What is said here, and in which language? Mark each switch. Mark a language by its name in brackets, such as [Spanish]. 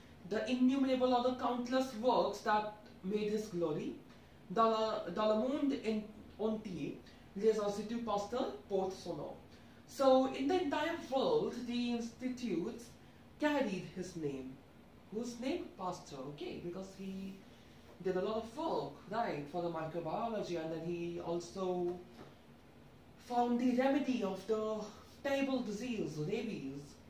[English] The innumerable other countless works that made his glory. [French] Dans le monde in entier, les instituts Pasteur portent son nom. [English] So, in the entire world, the institutes carried his name. Whose name? Pasteur, okay, because he did a lot of work, right, for the microbiology, and then he also found the remedy of the terrible disease, rabies.